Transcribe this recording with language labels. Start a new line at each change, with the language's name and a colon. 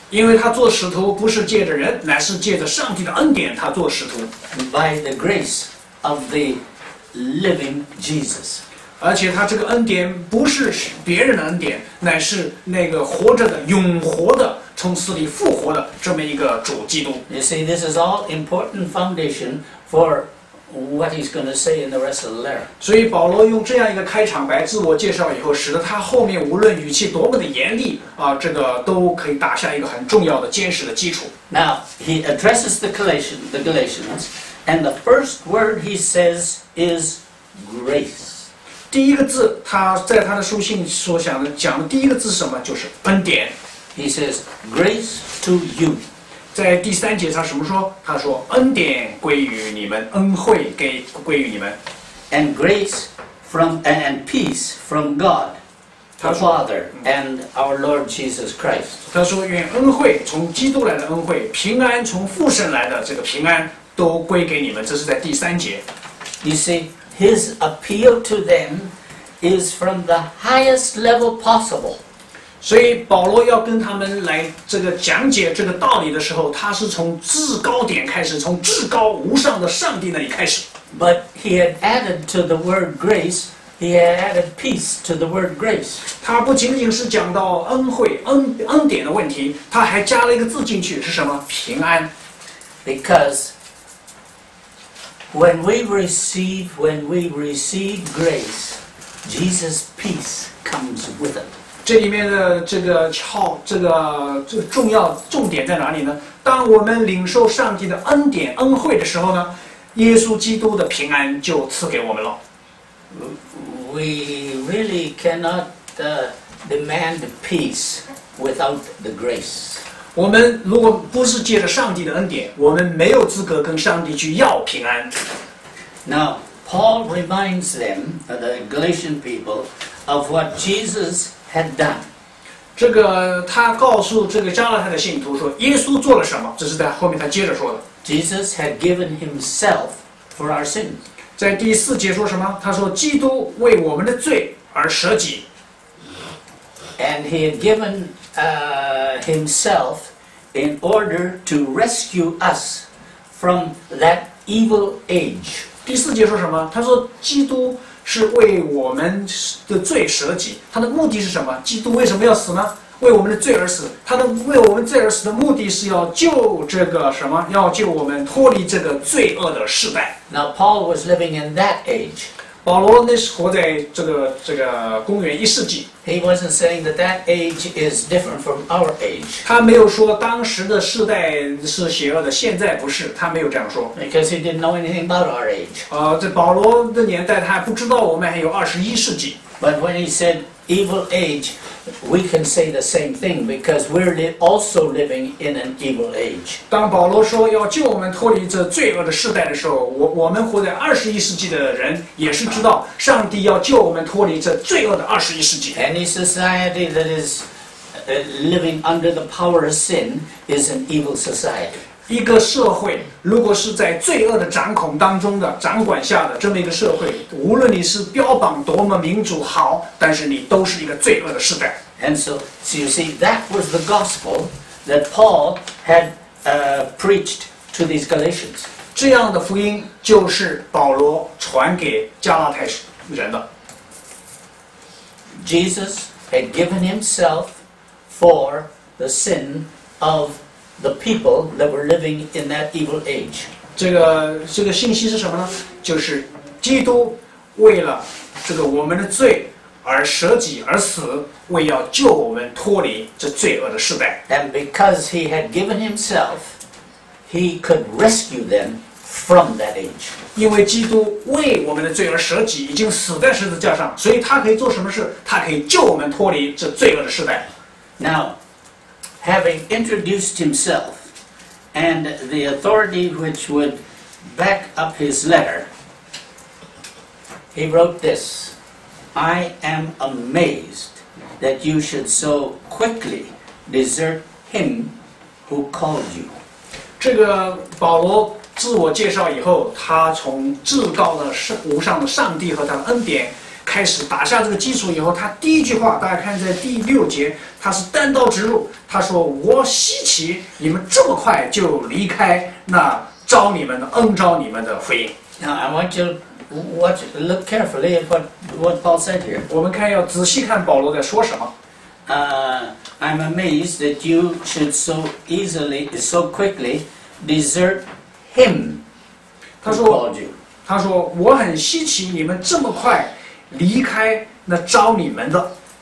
Chinese: 因为他做使徒不是借着人，乃是借着上帝的恩典，他做使徒。
English: By the grace of the living Jesus.
Chinese: 而且他这个恩典不是别人的恩典，乃是那个活着的、永活的、从死里复活的这么一个主基督。
English: You see, this is all important foundation for. What he's going to say in the rest of the letter.
Chinese: 所以保罗用这样一个开场白自我介绍以后，使得他后面无论语气多么的严厉这个都可以打下一个很重要的坚实的基础。
English: Now he addresses the Galatians, and the first word he says is grace.
Chinese: 第一个字，他在他的书信所讲的第一个字是什么？就是恩典。
English: He says grace to you.
Chinese: 在第三节他什么说？他说恩典归于你们，恩惠归于你们。
English: And grace from and peace from God, the Father and our Lord Jesus Christ.
Chinese: 他说愿恩惠从基督来的恩惠，平安从父神来的这个平安都归给你们。这是在第三节。
English: You see, his appeal to them is from the highest level possible.
Chinese: 所以保罗要跟他们来这个讲解这个道理的时候，他是从至高点开始，从至高无上的上帝那里开始。
English: But he had added to the word grace, he had added peace to the word grace.
Chinese: 他不仅仅是讲到恩惠、恩典的问题，他还加了一个字进去，是什么？平安。
English: Because when we receive grace, Jesus' peace comes with it.
Chinese: 这里面的这个窍，这个重要重点在哪里呢？当我们领受上帝的恩典恩惠的时候呢，耶稣基督的平安就赐给我们了。
English: We really cannot demand peace without the grace.
Chinese: 我们如果不是借着上帝的恩典，我们没有资格跟上帝去要平安。
English: Now Paul reminds them, the Galatian people, of what Jesus had done.
Chinese: 这个他告诉这个加拉太的信徒说，耶稣做了什么？这是在后面他接着说的。
English: Jesus had given himself for our sins.
Chinese: 在第四节说什么？他说，基督为我们的罪而舍己。
English: And he had given himself in order to rescue us from that evil age.
Chinese: 第四节说什么？他说基督是为我们的罪舍己。他的目的是什么？基督为什么要死呢？为我们的罪而死。他的为我们罪而死的目的是要救这个什么？要救我们脱离这个罪恶的时代。
English: Now Paul was living in that age.
Chinese: 保罗那是活在这个公元一世纪。
English: He wasn't saying that that age is different from our age.
Chinese: 他没有说当时的世代是邪恶的，现在不是，他没有这样说。
English: Because he didn't know anything about our age.
Chinese: 这保罗的年代，他还不知道我们还有二十一世纪。
English: But when he said evil age, we can say the same thing because we're also living in an evil age.
Chinese: 当保罗说要救我们脱离这罪恶的时代的时候，我们活在二十一世纪的人也是知道，上帝要救我们脱离这罪恶的二十一世纪。
English: Any society that is living under the power of sin is an evil society.
Chinese: 一个社会如果是在罪恶的掌控当中的、掌管下的这么一个社会，无论你是标榜多么民主好，但是你都是一个罪恶的时代。
English: And so, so you see, that was the gospel that Paul had preached to these Galatians.
Chinese: 这样的福音就是保罗传给加拉太人的。
English: Jesus had given himself for the sin of the people that were living in that evil age.
Chinese: 这个信息是什么呢？就是基督为了这个我们的罪而舍己而死，为要救我们脱离这罪恶的时代。
English: And because he had given himself, he could rescue them from that age.
Chinese: 因为基督为我们的罪而舍己，已经死在十字架上，所以他可以做什么事？他可以救我们脱离这罪恶的时代。
English: Now,having introduced himself and the authority which would back up his letter, he wrote this, I am amazed that you should so quickly desert him who called you.
Chinese: 这个保罗自我介绍以后，他从至高的无上的上帝和他的恩典开始打下这个基础以后，他第一句话，大家看在第六节，他是单刀直入，他说：“我稀奇你们这么快就离开那招你们的恩招你们的福音。”
English: Now I want you watch look carefully at what Paul said here.
Chinese: 我们看要仔细看保罗在说什么。
English: I'm amazed that you should so easily, so quickly desert him.
Chinese: 他说我很稀奇你们这么快离开那招你们的。